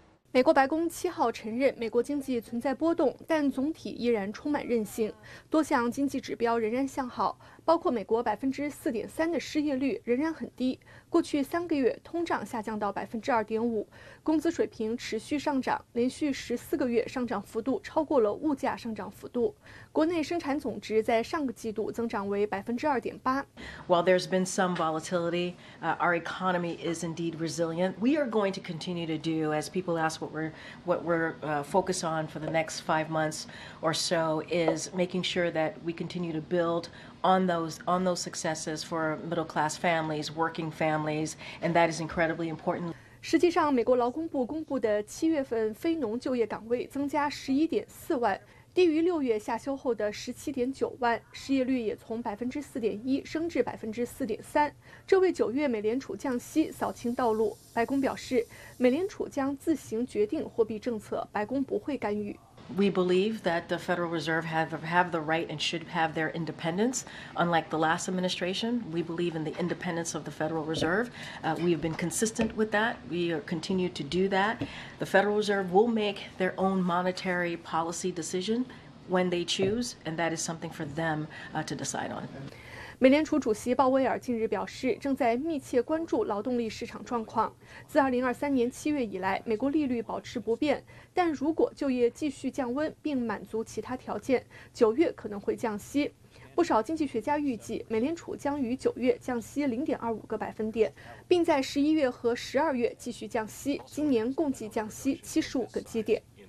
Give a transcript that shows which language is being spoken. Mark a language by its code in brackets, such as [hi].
[zh] 美国白宫7号承认美国经济存在波动，但总体依然充满韧性，多项经济指标仍然向好，包括美国4.3%的失业率仍然很低，过去3个月通胀下降到2.5%，工资水平持续上涨，连续14个月上涨幅度超过了物价上涨幅度。国内生产总值在上个季度增长为2.8%。 [en] While there's been some volatility, our economy is indeed resilient. We are going to continue to do, as people ask what we're focused on for the next 5 months or so, is making sure that we continue to build on those successes for middle class families, working families, and that is incredibly important. [zh] 实际上，美国劳工部公布的7月份非农就业岗位增加11.4万，低于6月下修后的17.9万，失业率也从4.1%升至4.3%，这为9月美联储降息扫清道路。白宫表示，美联储将自行决定货币政策，白宫不会干预。 [en] We believe that the Federal Reserve have the right and should have their independence. Unlike the last administration, we believe in the independence of the Federal Reserve. We have been consistent with that. We continue to do that. The Federal Reserve will make their own monetary policy decision when they choose, and that is something for them to decide on. [zh] 美联储主席鲍威尔近日表示，正在密切关注劳动力市场状况。自2023年7月以来，美国利率保持不变，但如果就业继续降温并满足其他条件，9月可能会降息。不少经济学家预计，美联储将于9月降息0.25个百分点，并在11月和12月继续降息，今年共计降息75个基点。